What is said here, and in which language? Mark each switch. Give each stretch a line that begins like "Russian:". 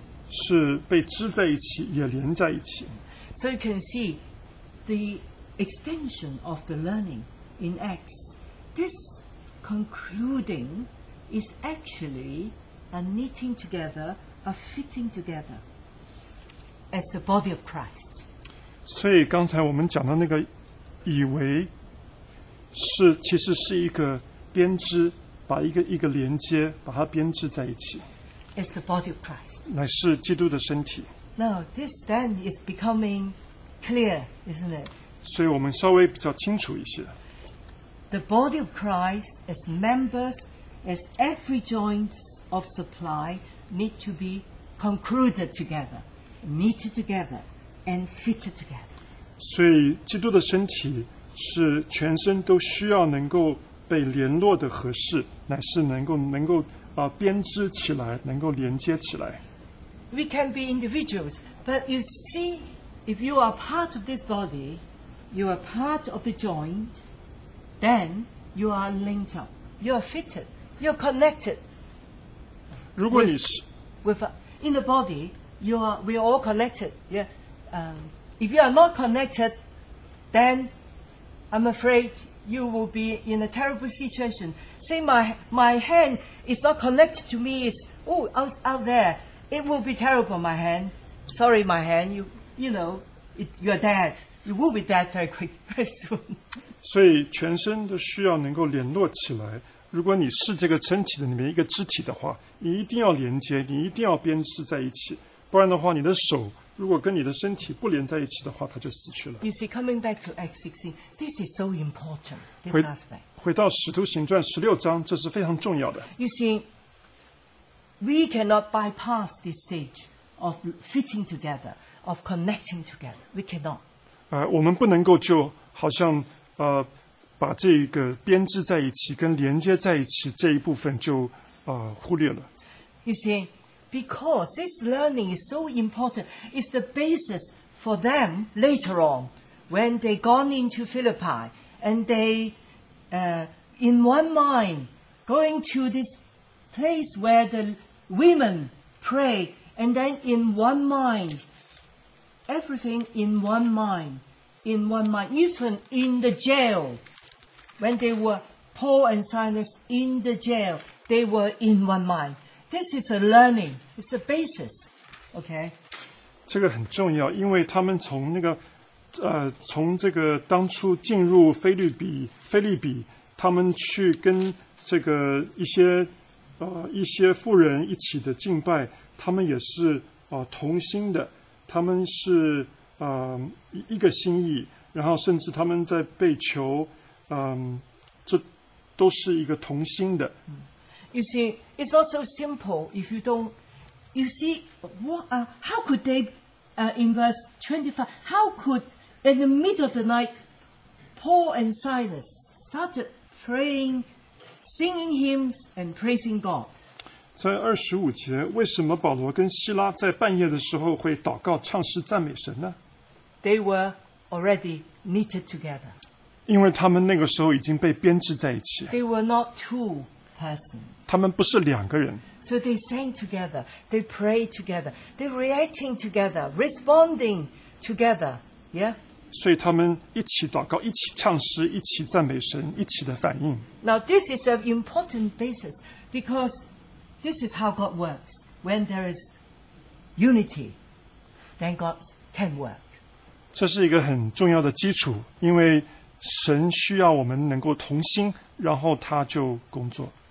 Chinese: 是被织在一起，也连在一起。
English: So you can see the extension of the learning in Acts. This concluding is actually a knitting together, a fitting together as the body of Christ.
Chinese: 所以刚才我们讲的那个以为是其实是一个编织，把一个连接，把它编织在一起。
English: It's the body of Christ.
Chinese: 乃是基督的身体。
English: Now this then is becoming clear, isn't it?
Chinese: 所以我们稍微比较清楚一些。
English: The body of Christ, as members, as every joint of supply, need to be concluded together, knitted together, and fitted together.
Chinese: 所以基督的身体是全身都需要能够被联络的合适，乃是能够编织起来，能够连接起来。
English: We can be individuals, but you see, if you are part of this body, you are part of the joint, then you are linked up, you are fitted, you are connected.
Chinese: 如果你是
English: in the body, we are all connected. Yeah. If you are not connected, then I'm afraid. You will be in a terrible situation. Say my hand is not connected to me. It's out there. It will be terrible, my hand. Sorry, my hand. You are dead. You will be dead very quick, very soon.
Chinese: 所以全身都需要能够联络起来。如果你是这个身体的里面一个肢体的话，你一定要连接，你一定要编织在一起。不然的话，你的手如果跟你的身体不连在一起的话，它就死去了。
English: You see, coming back to Acts 16, this is so important.
Chinese: 回到《使徒行传》十六章，这是非常重要的。
English: You see, we cannot bypass this stage of fitting together, of connecting together. We cannot.
Chinese: 我们不能够就好像把这个编织在一起跟连接在一起这一部分就忽略了。
English: You see. Because this learning is so important, it's the basis for them later on when they gone into Philippi and they, in one mind, going to this place where the women pray, and then in one mind, everything in one mind, even in the jail, when they were Paul and Silas in the jail, they were in one mind. This is a learning. It's a basis. Okay.
Chinese: 这个很重要，因为他们从那个，从这个当初进入菲利比，他们去跟这个一些妇人一起的敬拜，他们也是同心的，他们是一个心意，然后甚至他们在被囚，这都是一个同心的。
English: You see, it's not so simple if you don't. You see, how could they, in verse 25, how could in the middle of the night, Paul and Silas started praying, singing hymns, and praising God?
Chinese: 在二十五节，为什么保罗跟希拉在半夜的时候会祷告、唱诗、赞美神呢？
English: They were already knitted together.
Chinese: 因为他们那个时候已经被编织在一起。
English: They were not two. Person.
Chinese: 他们不是两个人。
English: So they sang together, they prayed together, they reacting together, responding together, yeah.
Chinese: 所以他们一起祷告，一起唱诗，一起赞美神，一起的反应。
English: Now this is an important basis because this is how God works. When there is unity, then God can work.
Chinese: 这是一个很重要的基础，因为神需要我们能够同心，然后他就工作。